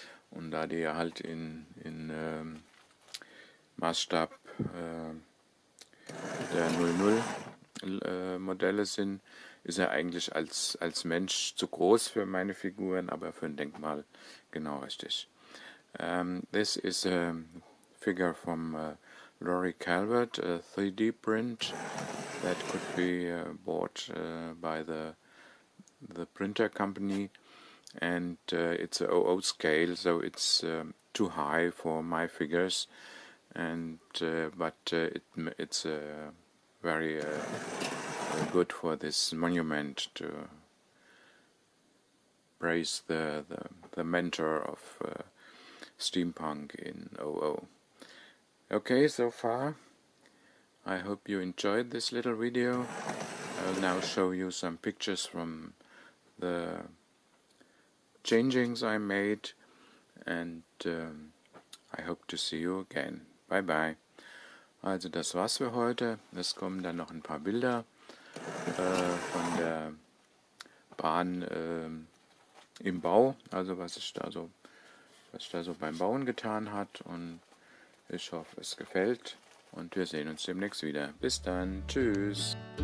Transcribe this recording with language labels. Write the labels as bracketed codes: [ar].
[de] Und da die ja halt in Maßstab der 00 Modelle sind, ist er eigentlich als Mensch zu groß für meine Figuren, aber für ein Denkmal genau richtig. [en] This is a figure from Laurie Calvert, a 3D print that could be bought by the printer company, and it's a 00 scale, so it's too high for my figures, and but it's very good for this monument to praise the mentor of steampunk in 00. Okay, so far I hope you enjoyed this little video. I'll now show you some pictures from the changings I made, and I hope to see you again. Bye bye. [de] Also das war's für heute. Es kommen dann noch ein paar Bilder von der Bahn im Bau, also was ich da so beim Bauen getan hat, und ich hoffe, es gefällt, und wir sehen uns demnächst wieder. Bis dann, tschüss.